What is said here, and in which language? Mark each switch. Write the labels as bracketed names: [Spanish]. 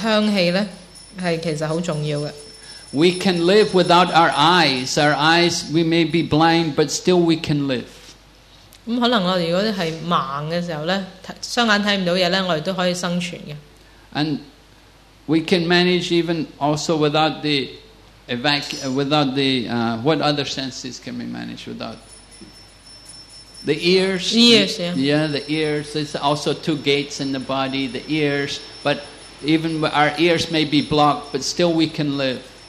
[Chinese] 這個詩節講到的香氣其實是很重要的。 [English] We can live without our eyes. Our eyes, we may be blind, but still we can live. [Chinese] 可能如果是盲的时候,双眼看不到东西,我们都可以生存的。 [English] And we can manage even also without the what other senses can we manage without? The ears. Ears, yeah. Yeah, the ears. There's also two gates in the body, the ears. But even our ears may be blocked, but still we can live.